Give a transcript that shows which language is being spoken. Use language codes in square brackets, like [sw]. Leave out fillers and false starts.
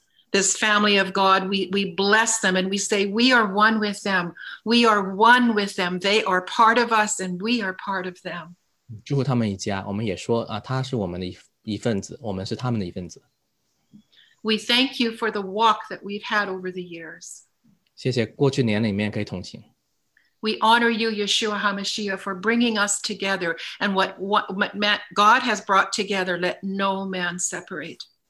[en] This family of God, we bless them and we say we are one with them. We are one with them. They are part of us and we are part of them. [zh] 祝福他们一家，我们也说啊，他是我们的一份子，我们是他们的一份子。 [en] We thank you for the walk that we've had over the years. [zh] 谢谢过去年里面可以同行。 [en] We honor you, Yeshua HaMashiach, for bringing us together and what God has brought together, let no man separate.